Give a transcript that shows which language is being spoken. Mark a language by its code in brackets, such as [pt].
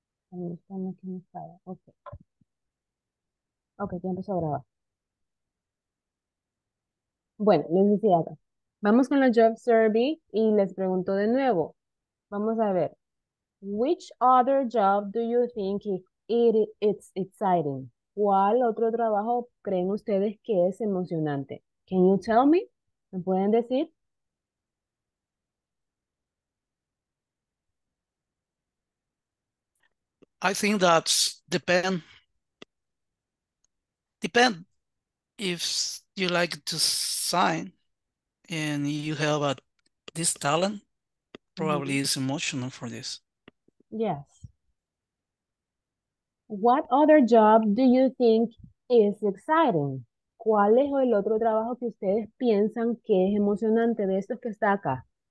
[es] Ok, ya empezó a grabar. Bueno, les decía acá. Vamos con la job survey y les pregunto de nuevo. Vamos a ver, [en] which other job do you think it's exciting? [es] ¿Cuál otro trabajo creen ustedes que es emocionante? [en] Can you tell me? [es] ¿Me pueden decir? [en] I think that's depend if you like to sign and you have a this talent, probably is emotional for this. Yes. What other job do you think is exciting? [es] ¿Cuál es el otro trabajo que ustedes piensan que es emocionante de estos que está acá?